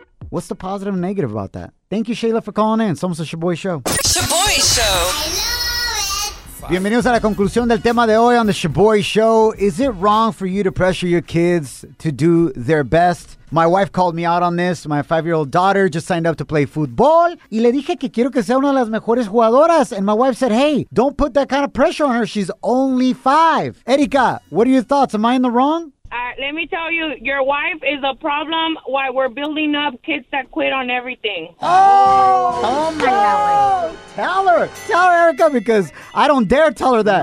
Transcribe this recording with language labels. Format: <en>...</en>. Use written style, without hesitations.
<en>What's the positive and negative about that? Thank you, Shayla, for calling in. It's almost a Shaboy Show. Shaboy Show. I love it.</en> <es>Bienvenidos a la conclusión del tema de hoy on the Shaboy Show.</es> <en>Is it wrong for you to pressure your kids to do their best? My wife called me out on this. My 5-year-old daughter just signed up to play football.</en> <es>Y le dije que quiero que sea una de las mejores jugadoras.</es> <en>And my wife said, hey, don't put that kind of pressure on her. She's only 5. Erika, what are your thoughts? Am I in the wrong? Let me tell you, your wife is a problem why we're building up kids that quit on everything. Oh! Oh, my God. Tell her. Tell her, Erica, because I don't dare tell her that.</en>